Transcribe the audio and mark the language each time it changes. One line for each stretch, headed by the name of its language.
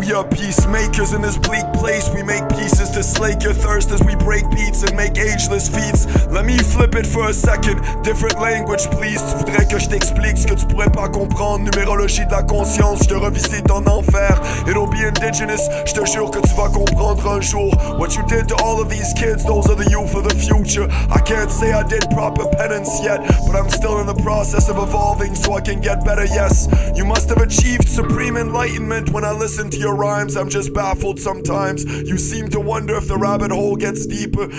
English: Peacemakers in this bleak place, we make pieces to slake your thirst as we break beats and make ageless feats. Let me flip it for a second, different language please.
French: Tu voudrais que je t'explique ce que tu pourrais pas comprendre. Numérologie de la conscience, je te revisite en enfer.
English: It'll be indigenous,
French: je te jure que tu vas comprendre un jour.
English: What you did to all of these kids, those are the youth of the future. I can't say I did proper penance yet, but I'm still in the process of evolving so I can get better, yes. You must have achieved supreme enlightenment when I listen to your rhymes. I'm just baffled sometimes. You seem to wonder if the rabbit hole gets deeper.